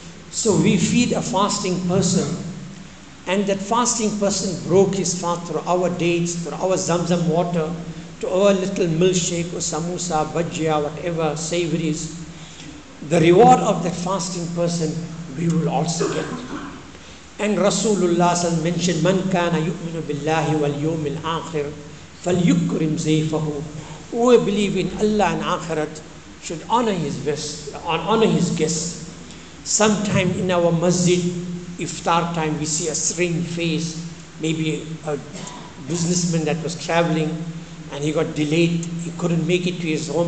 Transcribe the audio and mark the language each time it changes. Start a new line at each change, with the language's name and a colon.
English: So we feed a fasting person. And that fasting person broke his fast through our dates, through our zamzam water, to our little milkshake or samosa, bhajia, whatever savouries. The reward of that fasting person, we will also get. And Rasulullah has mentioned,
Arabic: من كان يؤمن بالله واليوم الآخر فليكرم زيفه.
English: Who believe in Allah and Akhirat should honor his guests. Sometime in our masjid, iftar time, we see a strange face, maybe a businessman that was traveling and he got delayed, he couldn't make it to his home.